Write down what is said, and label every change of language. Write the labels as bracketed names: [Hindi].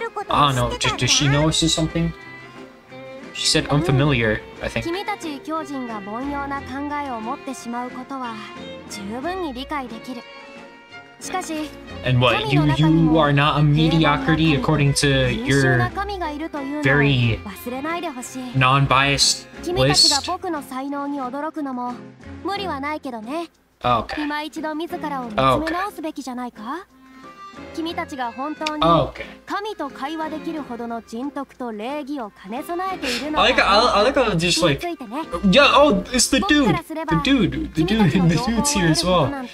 [English] I don't know, does she know this is something? She said unfamiliar, I think. [Japanese] 君たち巨人が凡庸な考えを持ってしまうことは十分に理解できる。しかし、 [English] And what? You are not a mediocrity according to your very non-biased list? [Japanese] 君たちが僕の才能に驚くのも無理はないけどね。 [English] Okay. [Japanese] 今一度自らを見つめ直すべきじゃないか? 君たちが本当に神と会話できるほどの人徳と礼儀を兼ね備えているのか。 [English] I like how just like, yeah, oh, it's the dude, the dude, the dude, the dude's here as well.